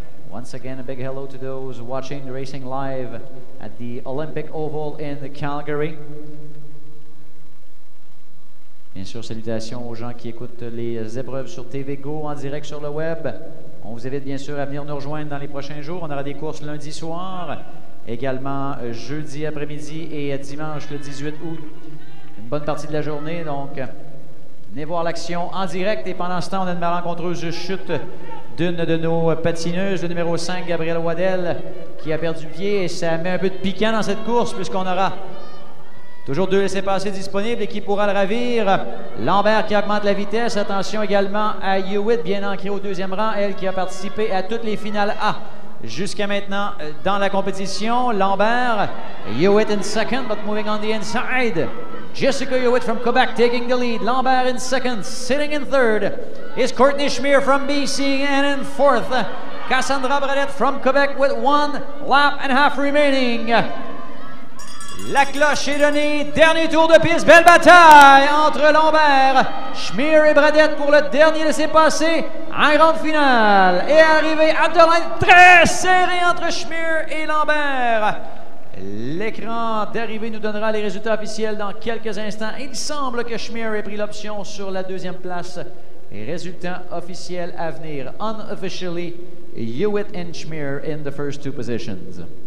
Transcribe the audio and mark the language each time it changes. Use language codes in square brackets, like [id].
[en] Once again, a big hello to those watching racing live at the Olympic Oval in Calgary. [fr] Bien sûr, salutations aux gens qui écoutent les épreuves sur TV Go en direct sur le web. On vous invite bien sûr à venir nous rejoindre dans les prochains jours. On aura des courses lundi soir, également jeudi après-midi et dimanche le 18 août. Une bonne partie de la journée, donc venez voir l'action en direct. Et pendant ce temps, on a une malencontreuse chute d'une de nos patineuses, le numéro 5, Gabrielle Waddell, qui a perdu pied. Et ça met un peu de piquant dans cette course puisqu'on aura toujours deux laissés-passer disponibles et qui pourra le ravir. Lambert qui augmente la vitesse. Attention également à Hewitt, bien ancrée au deuxième rang. Elle qui a participé à toutes les finales A jusqu'à maintenant dans la compétition. [en] Lambert, Hewitt in second, but moving on the inside. Jessica Hewitt from Quebec taking the lead. Lambert in second, sitting in third is Courtney Schmier from BC. And in fourth, Cassandra Bradette from Quebec with one lap and a half remaining. [fr] La cloche est donnée. Dernier tour de piste. Belle bataille entre Lambert, Schmier et Bradette pour le dernier laissé-passer en grande finale. Et arrivé à [en] the line, [fr] très serré entre Schmier et Lambert. L'écran d'arrivée nous donnera les résultats officiels dans quelques instants. Il semble que Schmier ait pris l'option sur la deuxième place. Résultats officiels à venir. [en] Unofficially, Hewitt and Schmier in the first two positions.